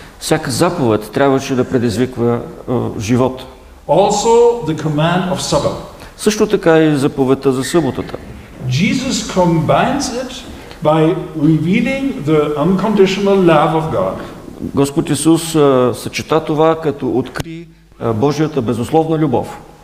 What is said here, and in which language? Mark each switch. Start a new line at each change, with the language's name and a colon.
Bulgarian: Всяка заповед трябваше да предизвиква живот.
English: Also the command of Sabbath.
Bulgarian: Също така и заповедта за съботата.
English: Jesus combines it by revealing the unconditional love of God.
Bulgarian: Господ Исус съчета това като откри Божията безусловна любов.